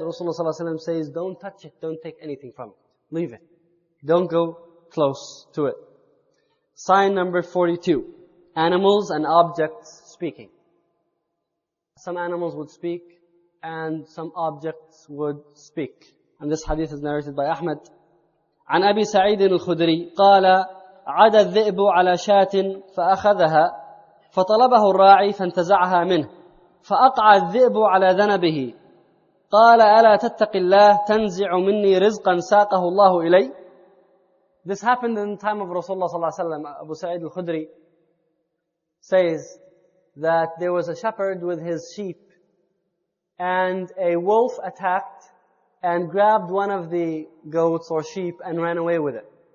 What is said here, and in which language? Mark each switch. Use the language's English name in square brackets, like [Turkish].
[English] Rasulullah ﷺ says, don't touch it. Don't take anything from it. Leave it. Don't go close to it. Sign number 42. Animals and objects speaking. Some animals would speak. And some objects would speak. And this hadith is narrated by Ahmad. [Arabic] عن أبي سعيد الخدري قال عدى الذئب على شاة فأخذها فطلبه الراعي فانتزعها منه فأقع الذئب على ذنبه قال ألا تتق الله تنزع مني رزقا ساقه الله إلي. [English] This happened in the time of Rasulullah [Arabic] صلى الله عليه وسلم. [English] Abu Sa'id al-Khudri says that there was a shepherd with his sheep and a wolf attacked and grabbed one of the goats or sheep and ran away with it.